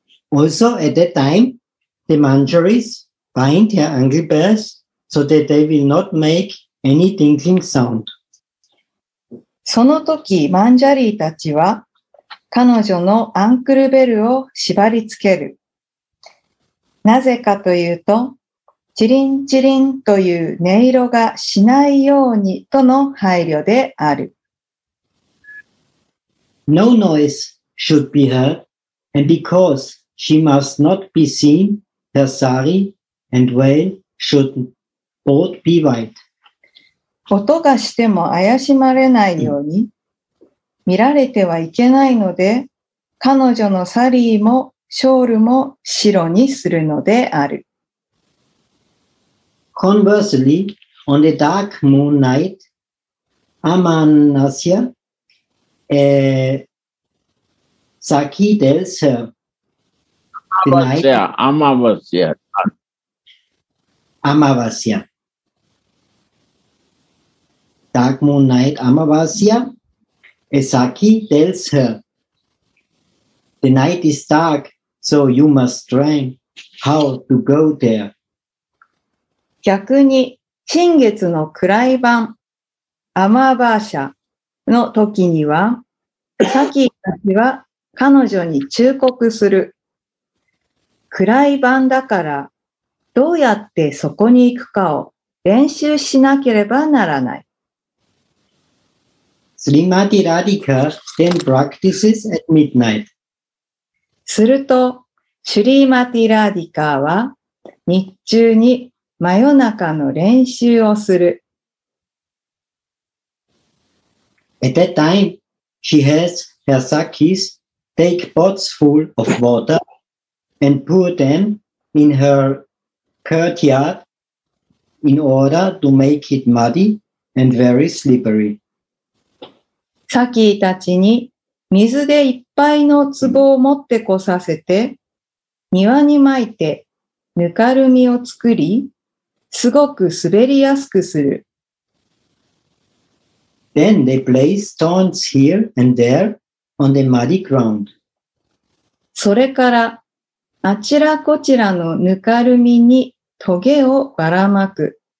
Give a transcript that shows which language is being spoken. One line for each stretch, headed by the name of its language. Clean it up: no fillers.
English: Also, at that time, the manjaris bind her ankle bells so that they will not make any tinkling sound.
Japanese: その時、マンジャリーたちは彼女のアンクルベルを縛りつける。なぜかというと、チリンチリンという音色がしないようにとの配慮である。
English: No noise should be heard, and because she must not be seen, her sari and veil should both be white.
Japanese: 音がしても怪しまれないように、見られてはいけないので、彼女のサリーもショールも白にするのである。
English: Conversely, on the dark moon night, Amanasya, Saki tells her, Amavasya. Dark moon night, Amavasya. Esaki tells her, the night is dark, so you must drink. how to go there.
Japanese: 逆に新月の暗い晩アマーバーシャの時にはサキたちは彼女に忠告する。暗い晩だからどうやってそこに行くかを練習しなければならない。
English: スリマティ・ラディカ then practices at midnight.
Japanese: すると、シュリーマティ・ラディカは日中に真夜中の練習をする。
English: At that time, she has her sakis take pots full of water and pour them in her courtyard in order to make it muddy and very slippery.
Japanese: サキーたちに水でいっぱいの壺を持ってこさせて、庭に撒いてぬかるみを作り、すごく滑りやすくする。
English: Then they place stones here and there on the muddy ground.
Japanese: それからあちらこちらのぬかるみにトゲをばらまく。